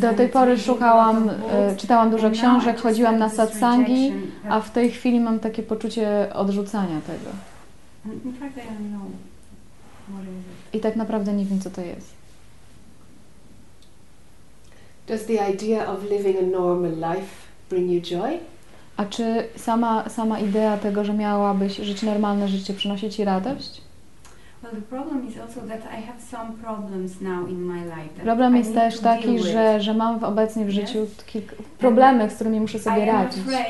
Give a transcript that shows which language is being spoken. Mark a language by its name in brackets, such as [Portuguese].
[Polish] Do tej pory szukałam, czytałam dużo książek, chodziłam na satsangi, a w tej chwili mam takie poczucie odrzucania tego. [English] In fact, I don't know. [Polish] I tak naprawdę nie wiem, co to jest. [English] Does the idea of living a normal life bring you joy? [Polish] A czy sama idea tego, że miałabyś żyć normalne życie, przynosi ci radość? [English] Well, the problem is also that I have some problems now in my life. [Polish] Problem jest też taki, że mam obecnie w życiu kilka problemy, z którymi muszę sobie radzić.